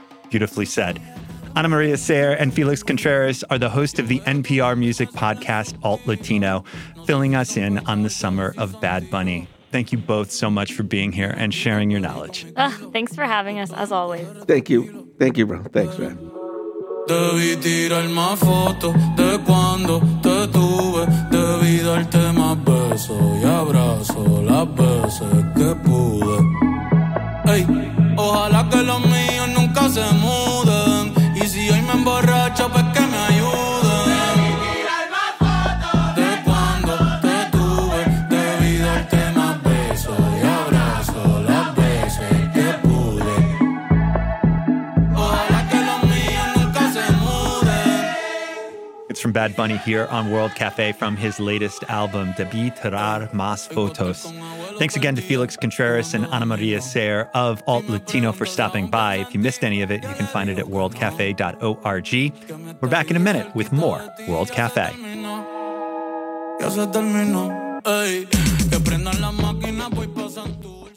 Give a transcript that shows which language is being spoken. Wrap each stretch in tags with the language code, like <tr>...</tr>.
<en>Beautifully said. Ana Maria Serre and Felix Contreras are the host of the NPR music podcast Alt Latino, filling us in on the summer of Bad Bunny. Thank you both so much for being here and sharing your knowledge. Thanks for having us, as always. Thank you. Thank you, bro. Thanks, man.</en> <es>Debí tirar más fotos de cuando te tuve. Debí darte más besos y abrazos las veces que pude. Hey, ojalá que los míos nunca se muden. Y si hoy me emborracho, pues que me ayuden. Debí tirar más fotos de cuando te tuve. Debí darte más besos y abrazos las veces que pude. Ojalá que los míos nunca se muden.</es> <en>It's from Bad Bunny here on World Cafe from his latest album, Debí tirar más fotos. Thanks again to Felix Contreras and Ana Maria Serre of Alt Latino for stopping by. If you missed any of it, you can find it at worldcafe.org. We're back in a minute with more World Cafe.</en> <es>Ya se terminó. Que prendan la máquina, voy pasando.</es>